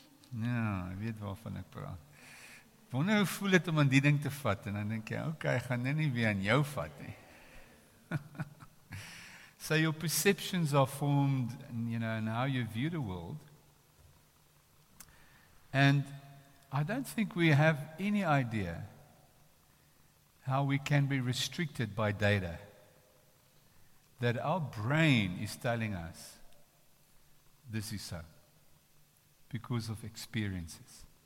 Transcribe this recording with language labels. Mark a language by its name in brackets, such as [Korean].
[Afrikaans] Ja, jy weet waarvan ek praat. Wonder, hoe voel het om aan die ding te vat? En dan denk jy, okay, ek gaan dit nie weer aan jou vat. [English] So your perceptions are formed, you know, and how you view the world. And I don't think we have any idea how we can be restricted by data that our brain is telling us this is so because of experiences.